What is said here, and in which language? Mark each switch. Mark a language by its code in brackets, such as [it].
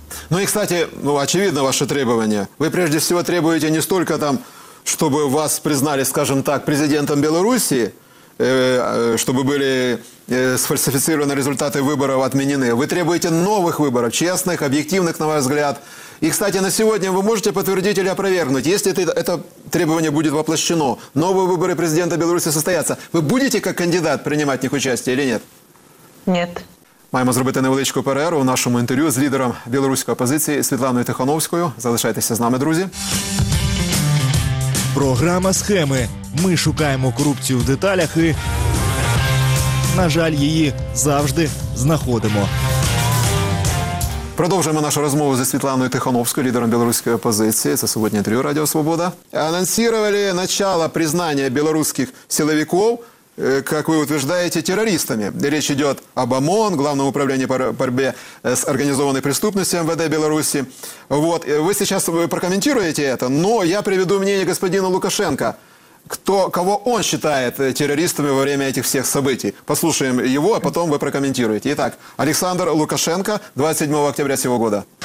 [ru] Ну и, кстати, ну, очевидно, ваши требования. Вы прежде всего требуете не столько там, чтобы вас признали, скажем так, президентом Белоруссии, чтобы были сфальсифицированы результаты выборов, отменены. Вы требуете новых выборов, честных, объективных, на ваш взгляд. И, кстати, на сегодня вы можете подтвердить или опровергнуть, если это требование будет воплощено, новые выборы президента Беларуси состоятся, вы будете как кандидат принимать в них участие или нет? Нет. [uk] Маємо зробити невеличку перерву в нашому інтерв'ю з лідером білоруської опозиції Світланою Тихановською. Залишайтеся з нами, друзі. Програма «Схеми». Ми шукаємо корупцію в деталях і, на жаль, її завжди знаходимо. Продовжуємо нашу розмову зі Світланою Тихановською, лідером білоруської опозиції. Це сьогодні інтерв'ю «Радіо Свобода». Анонсували начало признання білоруських силовиків, [ru] как вы утверждаете, террористами. Речь идет об ОМОН, Главном управлении по борьбе с организованной преступностью МВД Беларуси. Вот. Вы сейчас прокомментируете это, но я приведу мнение господина Лукашенко, кого он считает террористами во время этих всех событий. Послушаем его, а потом вы прокомментируете. Итак, Александр Лукашенко, 27 октября сего года.